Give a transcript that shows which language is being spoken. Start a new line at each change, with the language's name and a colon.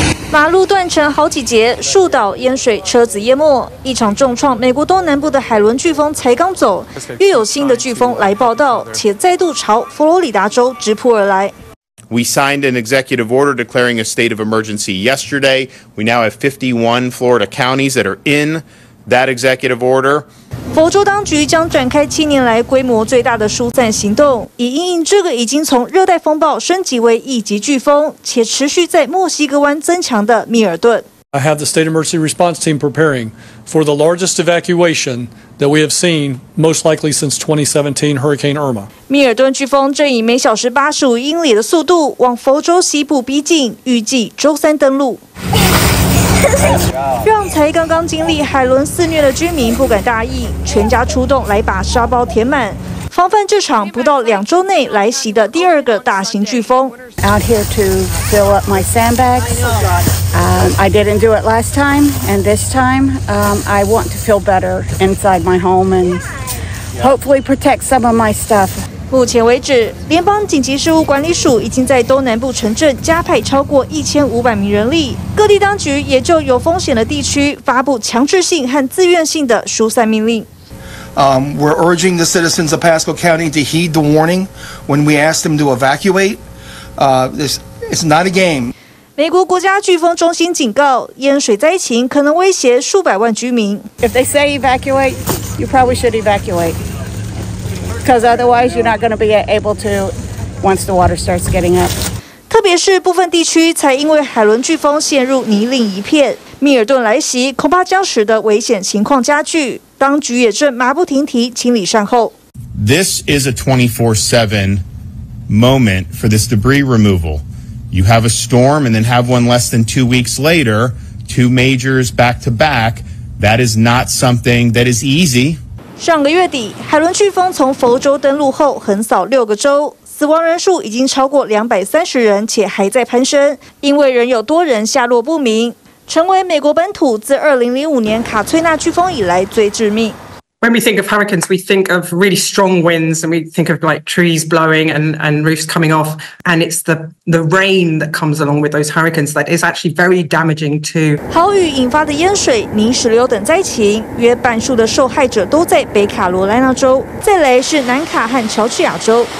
Chinese: 马路断成好几节，树倒，淹水，车子淹没，一场重创。美国东南部的海伦飓风才刚走，又有新的飓风来报道，且再度朝佛罗里达州直扑而来。
English: We signed an executive order declaring a state of emergency yesterday. We now have 51 Florida counties that are in that executive order.
Chinese: 佛州当局将展开七年来规模最大的疏散行动，以因应这个已经从热带风暴升级为一级飓风，且持续在墨西哥湾增强的密尔顿。
English: I have the state emergency response team preparing for the largest evacuation that we have seen, most likely since 2017 Hurricane Irma.
Chinese: 密尔顿飓风正以每小时85英里的速度往佛州西部逼近，预计周三登陆。让才刚刚经历海伦肆虐的居民不敢大意，全家出动来把沙包填满，防范这场不到两周内来袭的第二个大型飓风。
English: Out here to fill up my sandbags. I didn't do it last time, and this time, I want to feel better inside my home and hopefully protect some of my stuff.
Chinese: 目前为止，联邦紧急事务管理署已经在东南部城镇加派超过1500名人力，各地当局也就有风险的地区发布强制性和自愿性的疏散命令。
English: We're urging the citizens of Pasco County to heed the warning when we ask them to evacuate. It's not a game.
Chinese: 美国国家飓风中心警告，淹水灾情可能威胁数百万居民。
English: If they say evacuate, you probably should evacuate. Because otherwise, you're not going to be able to once the water starts getting up.
Chinese: 特别是部分地区才因为海伦飓风陷入泥泞一片，密尔顿来袭恐怕将使得危险情况加剧。当局也正马不停蹄清理善后。
English: This is a 24/7 moment for this debris removal. You have a storm, and then have one less than 2 weeks later, two majors back to back. That is not something that is easy.
Chinese: 上个月底，海伦飓风从佛州登陆后横扫六个州，死亡人数已经超过230人，且还在攀升，因为仍有多人下落不明，成为美国本土自2005年卡崔娜飓风以来最致命。
English: When we think of hurricanes, we think of really strong winds, and we think of like trees blowing and roofs coming off, and it's the rain that comes along with those hurricanes that is actually very damaging to.
Chinese: 豪雨引发的淹水、泥石流等灾情，约半数的受害者都在北卡罗来纳州，再来是南卡和乔治亚州。